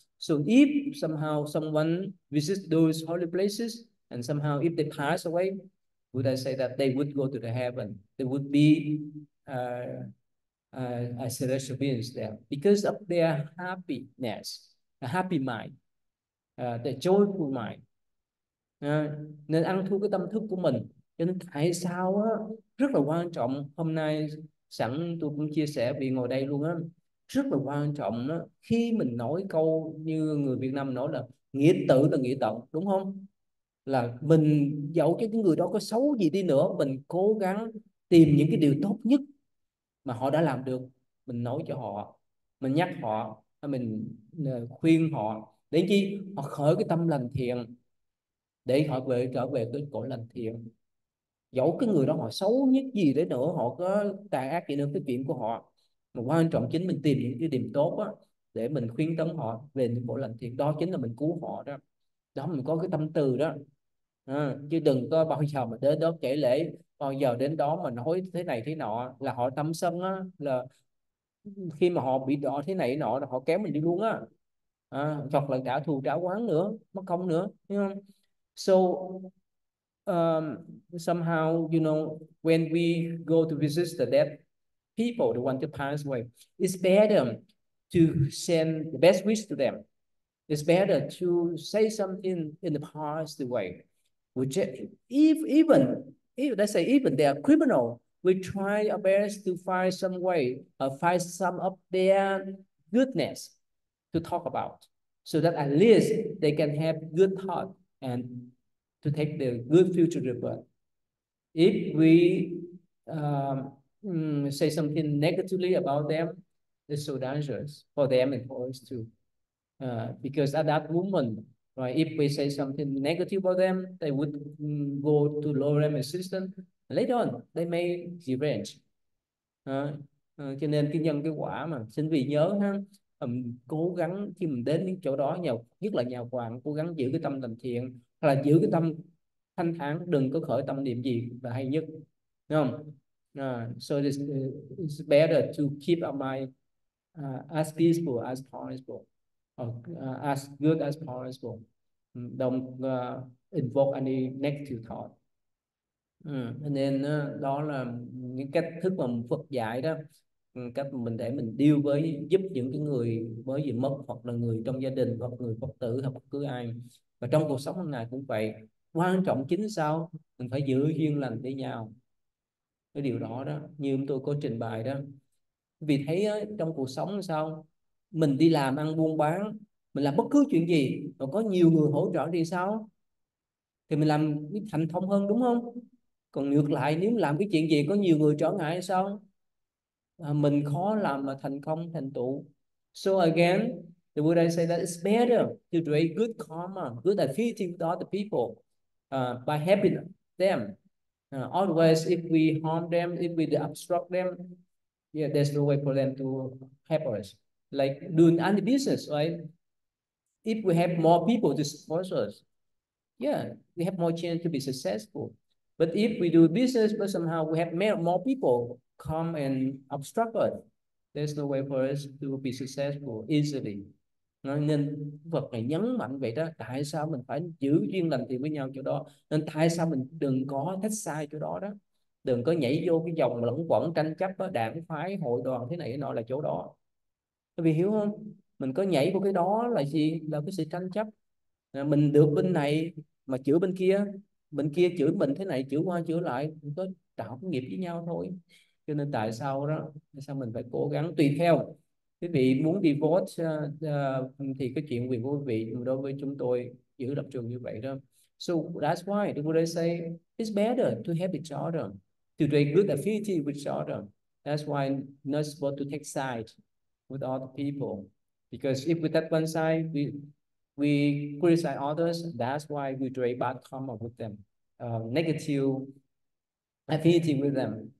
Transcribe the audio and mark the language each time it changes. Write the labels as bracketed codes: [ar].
[en] So if somehow someone visits those holy places, and somehow if they pass away, Buddha say that they would go to the heaven. They would be a celestial beings there because of their happiness, a happy mind, the joyful mind. [vi] Nên ăn thua cái tâm thức của mình. Cho nên tại sao á, rất là quan trọng hôm nay sẵn tôi cũng chia sẻ vì ngồi đây luôn á, rất là quan trọng đó, khi mình nói câu như người Việt Nam nói là nghĩa tử là nghĩa tận, đúng không? Là mình dẫu cho cái người đó có xấu gì đi nữa, mình cố gắng tìm những cái điều tốt nhất mà họ đã làm được, mình nói cho họ, mình nhắc họ, mình khuyên họ để chi, họ khởi cái tâm lành thiện để họ về trở về cái cõi lành thiện, dẫu cái người đó họ xấu nhất gì đấy nữa, họ có tà ác gì nữa, cái chuyện của họ, mà quan trọng chính mình tìm những cái điểm tốt á để mình khuyên tâm họ về những cõi lành thiện, đó chính là mình cứu họ đó, đó mình có cái tâm từ đó. À, chứ đừng có bao giờ mà đến đó kể lể, bao giờ đến đó mà nói thế này thế nọ là họ tâm sân á, là khi mà họ bị đỏ thế này nọ là họ kéo mình đi luôn á, à, hoặc là trả thù trả oán nữa, mất công nữa, thấy không? [en] So somehow you know when we go to visit the dead people, the one to pass away, it's better to send the best wish to them. It's better to say something in the past way. Which let's say even they are criminal, we try our best to find some way or find some of their goodness to talk about, so that at least they can have good thought and to take the good future rebirth. If we say something negatively about them, it's so dangerous for them and for us too, because at that moment. Right. If we say something negative about them, they would go to lower them assistance. Later on, they may revenge. [vi] Cho nên cái nhân cái quả mà. Xin vì nhớ ha, cố gắng khi mình đến những chỗ đó, nhất là nhà quán, cố gắng giữ cái tâm làm thiện, hoặc là giữ cái tâm thanh thản, đừng có khởi tâm niệm gì là hay nhất. Đúng không? [en] So it's better to keep our mind as peaceful as possible. As good as possible. Don't invoke any negative thought. [vi] Nên đó là những cách thức mà Phật dạy đó, cách mình để mình deal với giúp những cái người mới bị mất, hoặc là người trong gia đình, hoặc người Phật tử, hoặc bất cứ ai. Và trong cuộc sống hôm nay cũng vậy. Quan trọng chính sao? Mình phải giữ duyên lành với nhau. Cái điều đó đó, như tôi có trình bày đó. Vì thấy trong cuộc sống sao? Mình đi làm ăn buôn bán, mình làm bất cứ chuyện gì mà có nhiều người hỗ trợ thì sao, thì mình làm thành thông hơn, đúng không? Còn ngược lại, nếu làm cái chuyện gì có nhiều người trở ngại thì sao, mình khó làm mà thành công thành tựu. [en] So again, the Buddha say that it's better to create good karma, good affinity with other people by helping them. Otherwise, if we harm them, if we obstruct them, yeah, there's no way for them to help us. Like doing any business, right? If we have more people to support us, yeah, we have more chance to be successful. But if we do business, but somehow we have more people come and obstruct us, there's no way for us to be successful easily. [vi] Nên Phật này nhấn mạnh vậy đó, tại sao mình phải giữ duyên lành thiện với nhau chỗ đó, nên tại sao mình đừng có thích sai chỗ đó đó, đừng có nhảy vô cái dòng luẩn quẩn tranh chấp đó, đảng phái hội đoàn thế này nọ là chỗ đó. Vì hiểu không, mình có nhảy vào cái đó là gì, là cái sự tranh chấp, mình được bên này mà chửi bên kia chửi mình thế này, chửi qua chửi lại, mình có tạo cái nghiệp với nhau thôi. Cho nên tại sao đó, tại sao mình phải cố gắng tùy theo quý vị muốn divorce thì cái chuyện quyền của quý vị, đối với chúng tôi giữ lập trường như vậy đó. [en] So that's why the Buddha say it's better to help each other, to create good affinity with each other. That's why not supposed to take sides with other people. Because if we take one side, we criticize others, that's why we create bad karma with them, negative affinity with them.